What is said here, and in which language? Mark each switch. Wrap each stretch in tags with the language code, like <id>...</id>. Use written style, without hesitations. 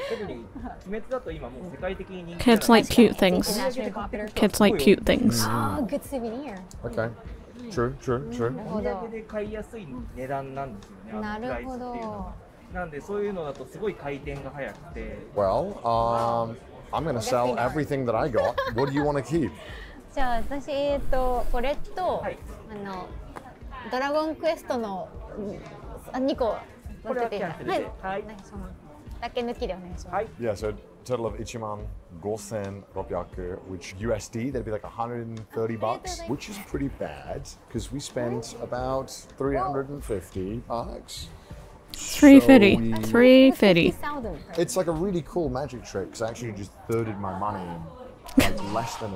<ja>特に鬼滅だと今もう世界的に人気</ja> <en>が。 Kids like cute things. Kids like cute things. Ah, good souvenir. Okay. True, true, true.</en> <ja>お土産で買いやすい値段なんですよね。なるほど。なんでそういうのだとすごい回転が早くて。</ja> <en>Well, I'm gonna sell everything that I got. What do you want to keep?</en> <ja>じゃあ私これと、はい、あのドラゴンクエストの2個持ってて、はい、はい、だけ抜きでお願いします。</ja> <en>はい、 yeah, so total of 15,600, which USD that'd be like 130 bucks, which is pretty bad because we spent about 350 bucks. 350. It's like a really cool magic trick because I actually just thirded my money in less than a</en>